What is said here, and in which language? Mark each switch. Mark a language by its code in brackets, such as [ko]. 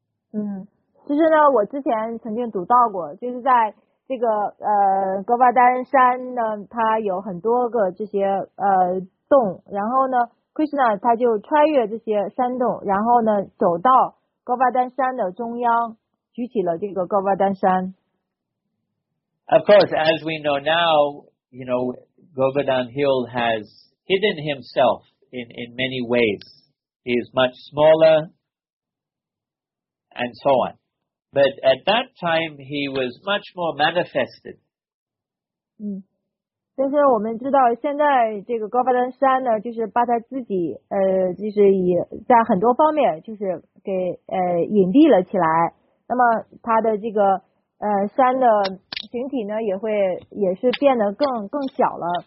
[zh] 就是呢，我之前曾经读到过，就是在这个哥瓦丹山呢，它有很多个这些洞，然后呢 ，Krishna 他就穿越这些山洞，然后呢走到哥瓦丹山的中央，举起了这个哥瓦丹山。 [en] Of course, as we know now, you know, Govardhan Hill has hidden himself in many ways. He is much smaller, and so on. But at that time, he was much more manifested. [zh] 但是我们知道现在这个高巴丹山呢，就是把他自己就是以在很多方面就是给隐蔽了起来。那么他的这个山的形体呢，也是变得更小了。